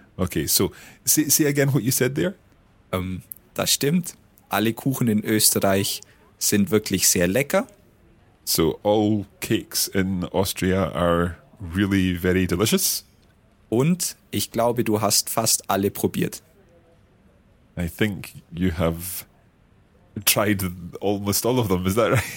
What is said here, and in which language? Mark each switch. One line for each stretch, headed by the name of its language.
English: Okay, so say again what you said there.
German: Das stimmt. Alle Kuchen in Österreich sind wirklich sehr lecker.
English: So all cakes in Austria are really very delicious.
German: Und ich glaube, du hast fast alle probiert.
English: I think you have tried almost all of them, is that right?